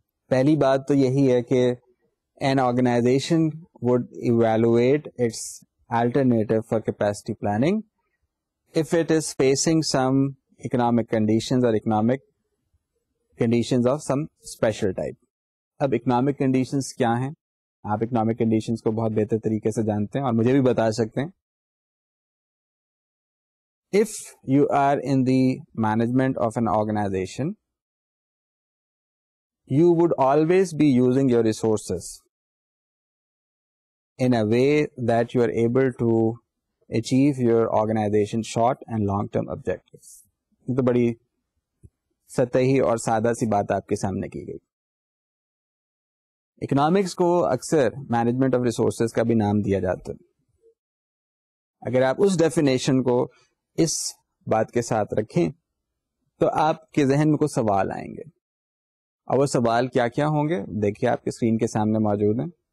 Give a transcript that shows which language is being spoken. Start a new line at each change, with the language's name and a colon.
Urdu: پہلی بات تو یہی ہے کہ
English: An organisation would evaluate its alternative for capacity planning if it is facing some economic conditions or economic conditions of some special type.
Urdu: اب economic conditions کیا ہیں, آپ اکنامک کنڈیشنز کو بہت بہتر طریقے سے جانتے ہیں اور مجھے بھی بتا سکتے ہیں.
English: If you are in the management of an organization, you would always be using your resources in a way that you are able to achieve your organization's short and long-term objectives.
Urdu: تو بڑی سطحی اور سادہ سی بات آپ کے سامنے کی گئی. اکنامکس کو اکثر مینجمنٹ آف ریسورسز کا بھی نام دیا جاتا ہے. اگر آپ اس ڈیفینیشن کو اس بات کے ساتھ رکھیں تو آپ کے ذہن میں کچھ سوال آئیں گے, اور وہ سوال کیا کیا ہوں گے دیکھیے آپ کی اسکرین کے سامنے موجود ہیں.